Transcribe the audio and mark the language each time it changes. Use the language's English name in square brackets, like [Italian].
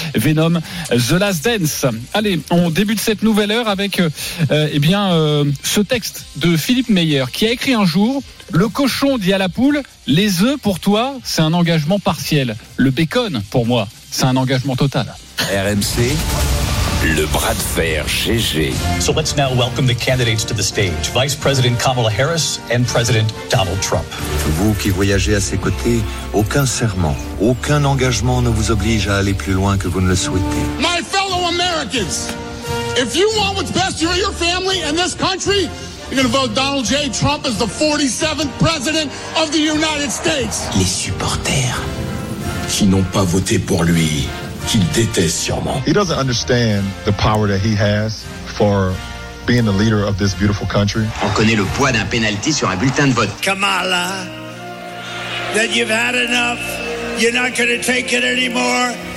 [French] Venom, The Last Dance. Allez, on débute cette nouvelle heure avec ce texte de Philippe Meyer qui a écrit un jour... Le cochon dit à la poule, les œufs pour toi, c'est un engagement partiel. Le bacon, pour moi, c'est un engagement total. RMC, le bras de fer GG. [English] So let's now welcome the candidates to the stage. Vice President Kamala Harris and President Donald Trump. [French] Vous qui voyagez à ses côtés, aucun serment, aucun engagement ne vous oblige à aller plus loin que vous ne le souhaitez. [English] My fellow Americans, if you want what's best for your family and this country... You're going to vote Donald J. Trump as the 47th president of the United States. [French] Les supporters qui n'ont pas voté pour lui, qu'il déteste sûrement. [English] He doesn't understand the power that he has for being the leader of this beautiful country. [French] On connaît le poids d'un penalty sur un bulletin de vote. [English] Kamala, that you've had enough, you're not going to take it anymore.